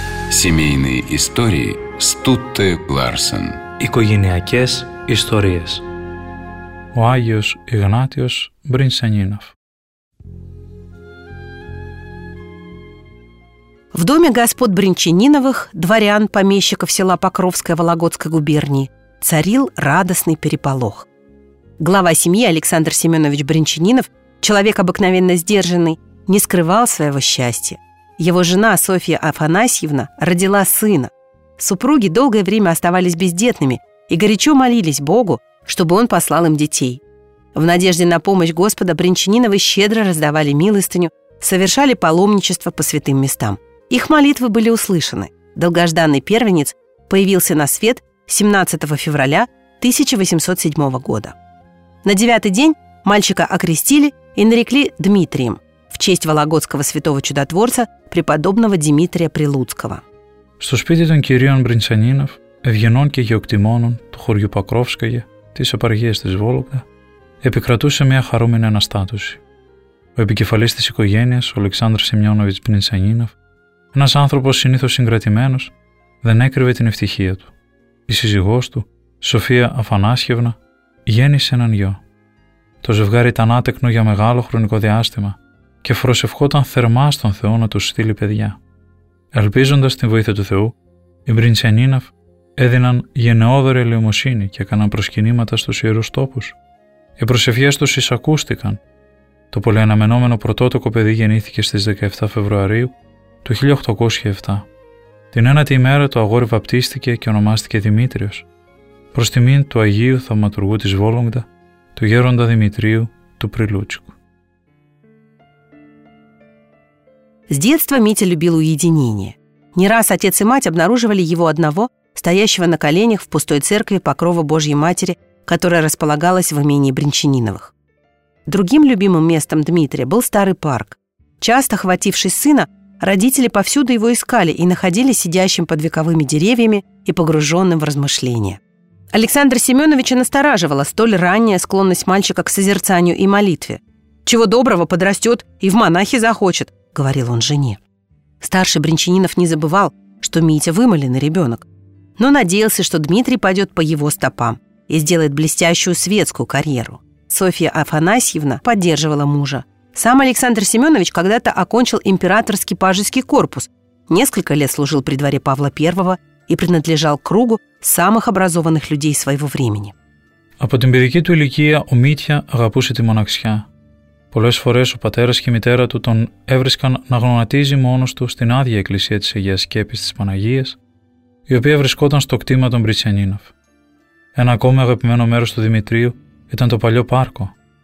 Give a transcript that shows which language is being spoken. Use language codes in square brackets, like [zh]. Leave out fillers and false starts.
[ru] Семейные истории Стутте Ларсен. [el] Οικογενειακές ιστορίες. Ο Άγιος Ιγνάτιος Μπρινσανίνοφ. [ru] В доме господ Брянчаниновых, дворян, помещиков села Покровской Вологодской губернии, царил радостный переполох. Глава семьи Александр Семенович Брянчанинов, человек обыкновенно сдержанный, не скрывал своего счастья. Его жена Софья Афанасьевна родила сына. Супруги долгое время оставались бездетными и горячо молились Богу, чтобы он послал им детей. В надежде на помощь господа Брянчаниновы щедро раздавали милостыню, совершали паломничество по святым местам. Их молитвы были услышаны. Долгожданный первенец появился на свет 17 февраля 1807 года. На 9-й день мальчика окрестили и нарекли Дмитрием в честь вологодского святого чудотворца преподобного Дмитрия Прилуцкого. [el] Στο σπίτι των κυρίων Μπρινσανίνοφ, ευγενών και γεωκτημόνων του χωριού Πακρόφσκαγε, της επαρχίας της Βόλογδα, επικρατούσε μια χαρούμενη αναστάτωση. Ο επικεφαλής της οικογένειας, ο Αλεξάνδρος Σεμιόνοβιτς Μπρινσανίνοφ, ένας άνθρωπος συνήθως συγκρατημένος, δεν έκρυβε την ευτυχία του. Η σύζυγός του, Σοφία Αφανάσιευνα, γέννησε έναν γιο. Το ζευγάρι ήταν άτεκνο για μεγάλο χρονικό διάστημα και φροσευχόταν θερμά στον Θεό να τους στείλει παιδιά. Ελπίζοντας την βοήθεια του Θεού, οι Μπρινσανίνοφ έδιναν γενναιόδορη ελεημοσύνη και έκαναν προσκυνήματα στους ιερούς τόπους. Οι προσευχές τους εισακούστηκαν. Το πολυαναμενόμενο πρωτότοκο παιδί γεννήθηκε στις 17 Φεβρουαρίου του 1807. Την ένατη ημέρα το αγόρι βαπτίστηκε και ονομάστηκε Δημήτριος, προς τιμήν του Αγίου Θαυματουργού της Βόλογδα, του Γέροντα Δημητρίου του Πριλούτσικου. [ru] С детства Митя любил уединение. Не раз отец и мать обнаруживали его одного, стоящего на коленях в пустой церкви Покрова Божьей Матери, которая располагалась в имении Брянчаниновых. Другим любимым местом Дмитрия был старый парк. Часто, хвативший сына, родители повсюду его искали и находили сидящим под вековыми деревьями и погруженным в размышления. Александра Семеновича настораживала столь ранняя склонность мальчика к созерцанию и молитве. «Чего доброго, подрастет и в монахи захочет», — говорил он жене. Старший Брянчанинов не забывал, что Митя вымоленный ребенок, но надеялся, что Дмитрий пойдет по его стопам и сделает блестящую светскую карьеру. Софья Афанасьевна поддерживала мужа. Сам Александр Семенович когда-то окончил императорский пажеский корпус, несколько лет служил при дворе Павла I и принадлежал к кругу самых образованных людей своего времени. [el] Από την παιδική του ηλικία ο Μίτια αγαπούσε τη μοναξιά. Πολλές φορές ο πατέρας και η μητέρα του τον έβρισκαν να γονατίζει μόνος του στην άδεια εκκλησία της Αγίας Σκέπης της Παναγίας, η οποία βρισκόταν στο κτήμα των Μπρινσανίνοφ. Ένα ακόμη αγαπημένο μέρος του Δημητρίου ήταν το παλιό πάρκο.